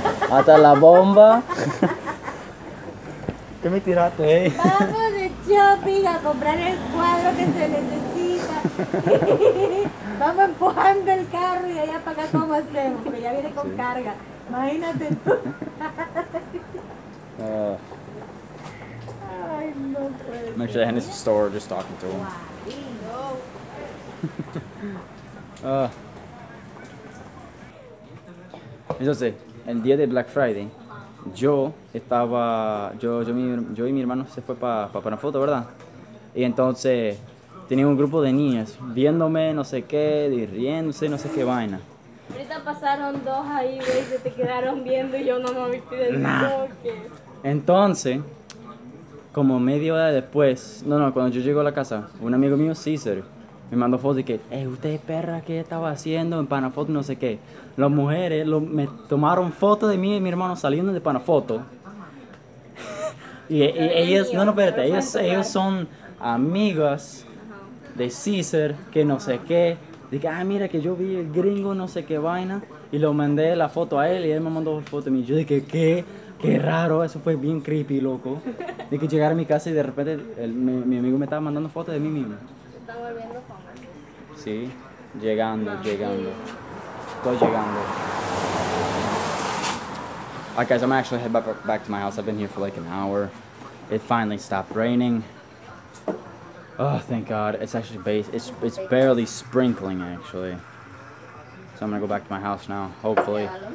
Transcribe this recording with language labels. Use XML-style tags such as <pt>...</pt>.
<es>Hasta la bomba. ¿Qué me tiraste, eh? Vamos de shopping a comprar el cuadro que se necesita. Vamos empujando el carro y allá para acá, ¿cómo hacemos? Porque ya viene con carga. Imagínate tú.</es> <en>No, make sure that Henry's in the store just talking to him.</en> <es>Entonces, el día de Black Friday, yo y mi hermano se fue para una foto, ¿verdad? Y entonces, tenía un grupo de niñas viéndome, no sé qué, y riéndose, no sé qué vaina. Ahorita pasaron dos ahí, güey, se te quedaron viendo y yo no me metí del toque. Entonces, como media hora después, cuando yo llego a la casa, un amigo mío, Caesar, me mandó fotos de que, hey, usted es perra, ¿qué estaba haciendo en Panafoto? No sé qué. Las mujeres me tomaron fotos de mí y mi hermano saliendo de Panafoto. Y ellas, ellas son amigas de Caesar, que no sé qué. Dice, ah, mira que yo vi el gringo, no sé qué vaina. Y lo mandé la foto a él y él me mandó foto de mí. Yo dije, ¿qué? Qué raro, eso fue bien creepy, loco. De que llegara a mi casa y de repente mi amigo me estaba mandando fotos de mí mismo. Se está volviendo famoso. Sí, llegando. Estoy llegando.</es> <en>Alright, guys, I'm gonna actually head back to my house. I've been here for like an hour. It finally stopped raining. Oh, thank God. It's barely sprinkling, actually. So I'm gonna go back to my house now, hopefully.</en>